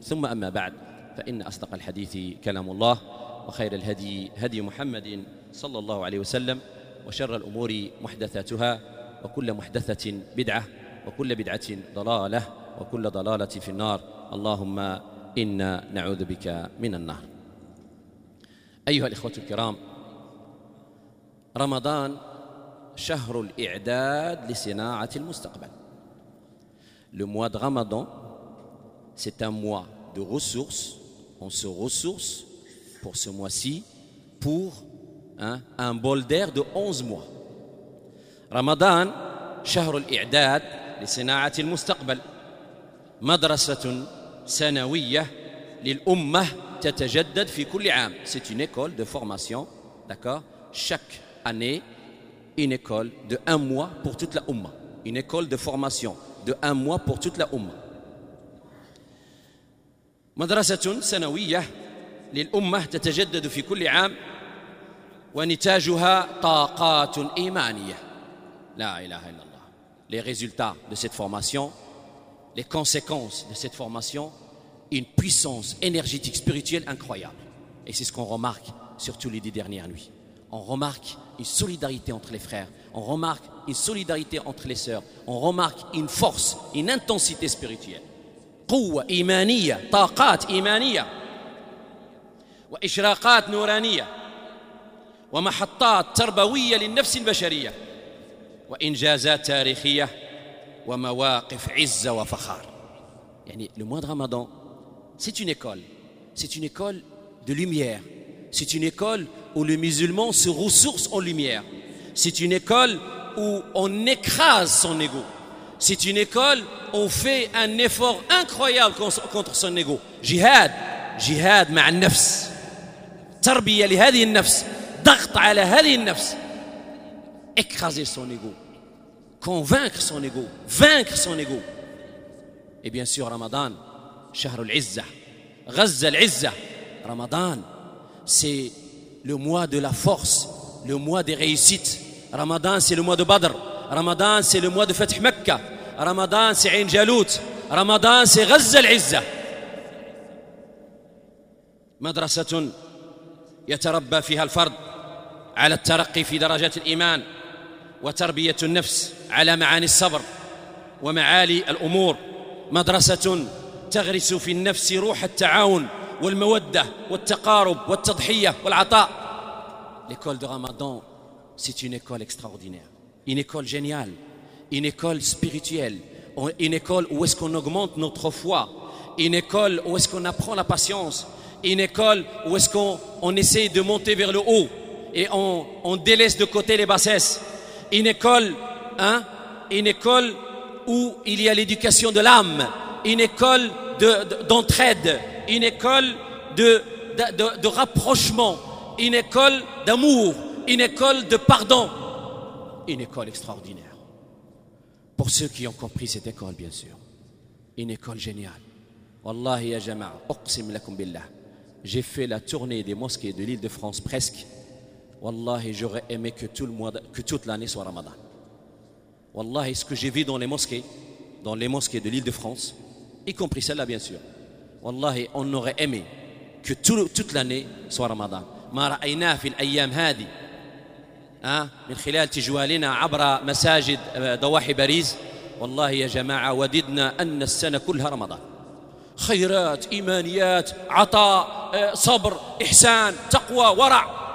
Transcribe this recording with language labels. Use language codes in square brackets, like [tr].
[ar] ثم أما بعد، فإن أصدق الحديث كلام الله وخير الهدي هدي محمد صلى الله عليه وسلم، وشر الأمور محدثاتها، وكل محدثة بدعة، وكل بدعة ضلالة، وكل ضلالة في النار، اللهم إنا نعوذ بك من النار. أيها الإخوة الكرام، رمضان شهر الإعداد لصناعة المستقبل. [fr] Le mois de Ramadan, c'est un mois de ressources. On se ressource pour ce mois-ci pour un bol d'air de 11 mois. [ar] رمضان شهر الإعداد لصناعة المستقبل، مدرسة سنوية للأمة تتجدد في كل عام. [fr] C'est une école de formation, d'accord? Chaque année, une école de un mois pour toute la Ummah. Une école de formation de un mois pour toute la Ummah. [ar] مدرسة سنوية للأمة تتجدد في كل عام ونتاجها طاقات إيمانية. لا إله إلا الله. [fr] Les résultats de cette formation, les conséquences de cette formation, une puissance énergétique spirituelle incroyable. Et c'est ce qu'on remarque surtout les 10 dernières nuits. On remarque une solidarité entre les frères, on remarque une solidarité entre les sœurs, on remarque une force, une intensité spirituelle. [ar] قوة إيمانية طاقات إيمانية وإشراقات نورانية ومحطات تربوية للنفس البشرية وإنجازات تاريخية ومواقف عزة وفخار. يعني [fr] le mois de Ramadan, c'est une école. C'est une école de lumière. C'est une école où le musulman se ressource en lumière. C'est une école où on écrase son ego. C'est une école où on fait un effort incroyable contre son ego. Jihad. [ar] Jihad مع النفس. تربية لهذه النفس. ضغط على هذه النفس. [fr] Écraser son ego. Convaincre son ego, vaincre son ego. Et bien sûr, Ramadan, [ar] شهر العزة, غزة العزة. [fr] Ramadan, c'est le mois de la force, le mois des réussites. Ramadan, c'est le mois de Badr. Ramadan, c'est le mois de Fath Mecca. Ramadan, c'est Ain Jalout. Ramadan, c'est Ghazza al-Izza. [ar] مدرسة يتربى فيها الفرد على الترقي في درجات الإيمان وتربية النفس على معاني الصبر ومعالي الأمور. مدرسة تغرس في النفس روح التعاون والمودة والتقارب والتضحية والعطاء. [fr] L'école de Ramadan, c'est une école extraordinaire, une école géniale, une école spirituelle, une école où est-ce qu'on augmente notre foi, une école où est-ce qu'on apprend la patience, une école où est-ce qu'on essaye de monter vers le haut et on délaisse de côté les bassesses, une école, hein, une école où il y a l'éducation de l'âme, une école d'entraide, une école de rapprochement, une école d'amour, une école de pardon, une école extraordinaire. Pour ceux qui ont compris cette école, bien sûr, une école géniale. [ar] Wallahi ya jama'a, uqsim lakum billah. [fr] J'ai fait la tournée des mosquées de l'Île-de-France presque. Wallahi, j'aurais aimé que tout le mois, que toute l'année soit Ramadan. Wallahi, ce que j'ai vu dans les mosquées de l'Île-de-France, y compris celle-là bien sûr. Wallahi, on aurait aimé que toute l'année soit Ramadan. [ar] ما رأيناه في الأيام هذه من خلال تجوالنا عبر مساجد ضواحي باريس. والله يا جماعة وددنا أن السنة كلها رمضان خيرات إيمانيات عطاء صبر إحسان تقوى ورع.